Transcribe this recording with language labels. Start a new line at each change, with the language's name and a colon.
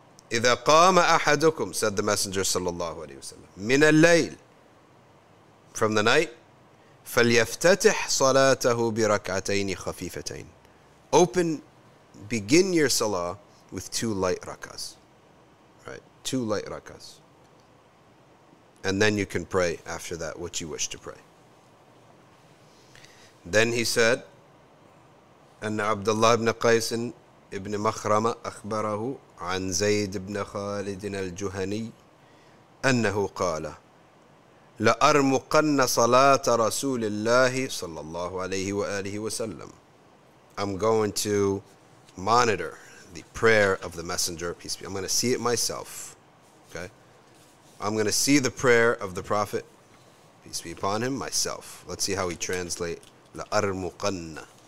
Arabic: إذا قام أحدكم,
English: said the Messenger sallallahu alaihi wasallam,
Arabic: من الليل,
English: from the night,
Arabic: فليفتتح صلاته بركعتين خفيفتين,
English: open, begin your salah with 2 light rakas, right? 2 light rakas, and then you can pray after that what you wish to pray. Then he said,
Arabic: أن عبد الله بن قيس ابن مخرمة أخبره عن زيد بن خالد الجهني أنه قال لأرمقن صلاة رسول الله صلى الله عليه وآله وسلم.
English: I'm going to monitor the prayer of the Messenger, peace be. I'm going to see it myself. Okay, I'm going to see the prayer of the Prophet, peace be upon him, myself. Let's see how we translate لأرمقن.